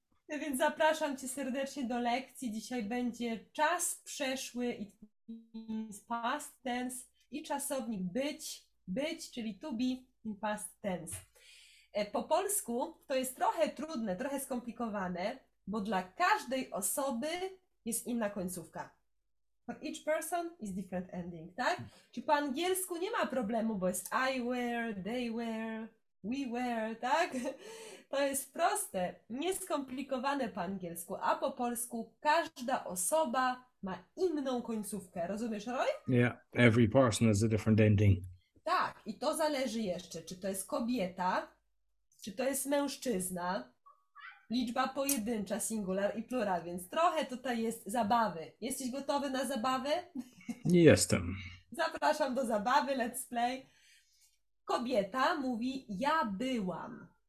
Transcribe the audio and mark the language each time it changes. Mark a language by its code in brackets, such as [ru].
[pl] Więc zapraszam cię serdecznie do lekcji, dzisiaj będzie czas przeszły i past tense i czasownik być, czyli to be. [en] In past tense. [pl] Po polsku to jest trochę trudne, trochę skomplikowane, bo dla każdej osoby jest inna końcówka. [en] For each person is different ending, [pl] tak? Czy po angielsku nie ma problemu, bo jest [en] I were, they were, we were, [pl] tak? To jest proste, nieskomplikowane po angielsku, a po polsku każda osoba ma inną końcówkę. Rozumiesz, Roy? [en] Yeah, every person has a different ending. [pl] Tak, i to zależy jeszcze, czy to jest kobieta, czy to jest mężczyzna, liczba pojedyncza, singular i plural, więc trochę tutaj jest zabawy. Jesteś gotowy na zabawę? Nie jestem. Zapraszam do zabawy, [en] let's play. [pl] Kobieta mówi ja byłam.